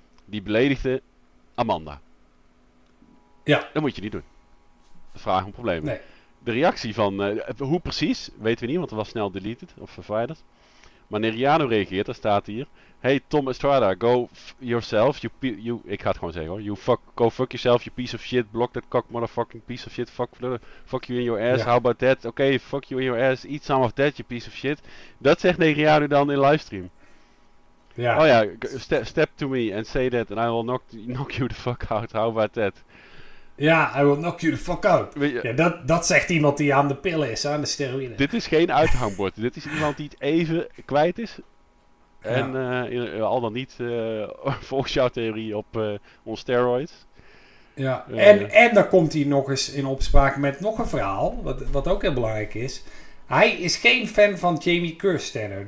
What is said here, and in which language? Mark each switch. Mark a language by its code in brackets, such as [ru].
[nl] Die beledigde Amanda. Ja. Dat moet je niet doen. Dat vraagt om problemen. Nee. De reactie van, hoe precies, weten we niet, want het was snel deleted of verwijderd. Maar Neriano reageert, dat staat hier. Hey Tom Estrada, [en] go yourself, [nl] ik ga het gewoon zeggen hoor. [en] Go fuck yourself, you piece of shit, block that cock motherfucking piece of shit, fuck you in your ass, how about that? Okay, fuck you in your ass, eat some of that, you piece of shit. [nl] Dat zegt Neriano dan in livestream. [en] Yeah. [nl] Oh ja, [en] step to me and say that and I will knock you the fuck out, how about that? Ja, I will knock you the fuck out. [nl] Ja, dat zegt iemand die aan de pillen is, aan de steroïden. Dit is geen uithangbord. Dit is iemand die het even kwijt is. En al dan niet volgens jouw theorie op [en] on steroids. [nl] Ja, en dan komt hij nog eens in opspraak met nog een verhaal. Wat ook heel belangrijk is. Hij is geen fan van Jamie Kerstenner.